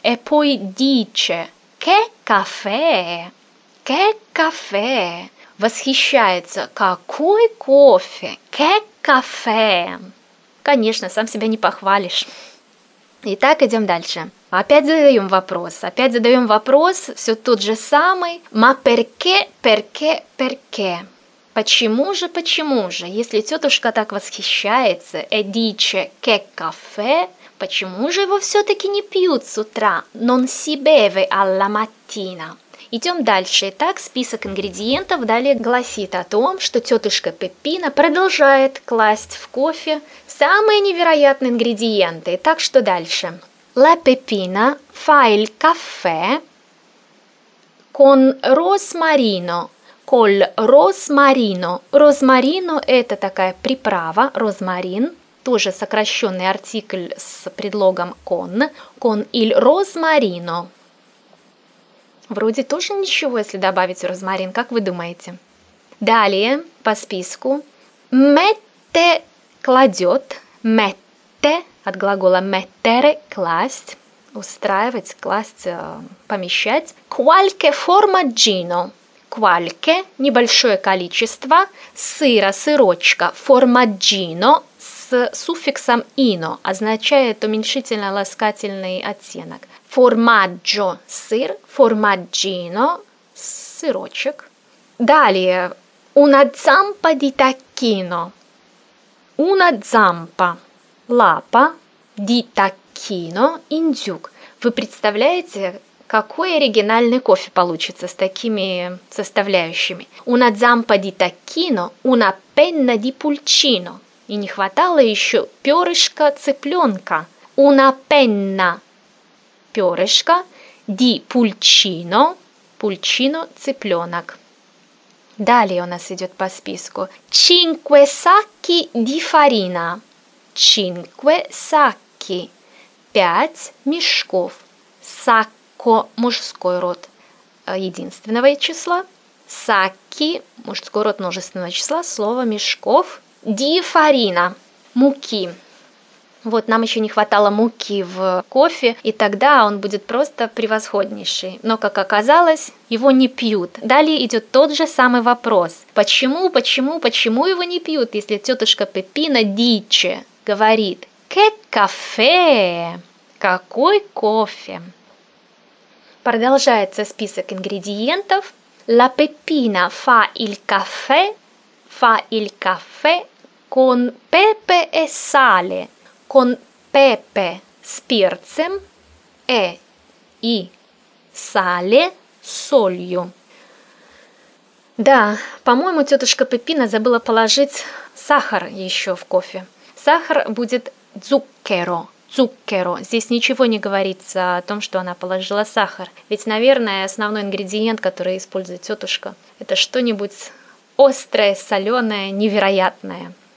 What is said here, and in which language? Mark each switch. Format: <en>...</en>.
<it>E poi dice, che caffè? Che caffè?</it> <ru>Восхищается, какой кофе?</ru> <it>Che caffè?</it> <ru>Конечно, сам себя не похвалишь. Итак, идем дальше. Опять задаем вопрос. Опять задаем вопрос, все тот же самый.</ru> <it>Ma perché, perché, perché?</it> <ru>Почему же, если тетушка так восхищается,</ru> <it>e dice che caffè,</it> <ru>почему же его все-таки не пьют с утра?</ru> <it>Non si beve alla mattina.</it> <ru>Идем дальше. Итак, список ингредиентов далее гласит о том, что тетушка Пеппина продолжает класть в кофе самые невероятные ингредиенты. Так что дальше.</ru> <it>La Peppina fa il caffè con rosmarino. Col rosmarino.</it> <ru>Розмарино – это такая приправа, розмарин. Тоже сокращенный артикль с предлогом con.</ru> <it>Con il rosmarino.</it> <ru>Вроде тоже ничего, если добавить розмарин, как вы думаете? Далее, по списку. Mette кладет. Mette от глагола mettere – класть. Устраивать, класть, помещать.</ru> <it>Qualche formaggino.</it> <ru>Qualche – небольшое количество. Сыра, сырочка. Formaggino с суффиксом «ино» означает уменьшительно-ласкательный оттенок. Формаджо – сыр, формаджино – сырочек.</ru> <it>Далее, una zampa di tacchino. Una zampa – лапа, di tacchino – индюк.</it> <ru>Вы представляете, какой оригинальный кофе получится с такими составляющими.</ru> <it>Una zampa di tacchino, una penna di pulcino.</it> <ru>И не хватало еще перышка цыпленка.</ru> <it>Una penna – перышко, di pulcino –</it> <ru>пульчино – цыпленок. Далее у нас идет по списку.</ru> <it>Cinque sacchi di farina. Cinque sacchi.</it> <ru>Пять мешков. Sacco – мужской род единственного числа. Sacchi – мужской род множественного числа. Слово «мешков».</ru> <it>Di farina – муки.</it> <ru>Вот нам еще не хватало муки в кофе, и тогда он будет просто превосходнейший. Но, как оказалось, его не пьют. Далее идет тот же самый вопрос. Почему его не пьют, если тетушка Пеппина дичи говорит</ru> <it>«Che caffè!»</it> <ru>«Какой кофе!» Продолжается список ингредиентов.</ru> <it>«La Pepina fa il caffè» «Fa il caffè con pepe e sale» «Con pepe» –</it> <ru>с перцем,</ru> <it>«e» – и «sale» – солью.</it> <ru>Да, по-моему, тетушка Пеппина забыла положить сахар еще в кофе. Сахар будет «zucchero», «zucchero». Здесь ничего не говорится о том, что она положила сахар. Ведь, наверное, основной ингредиент, который использует тетушка, это что-нибудь острое, соленое, невероятное.</ru>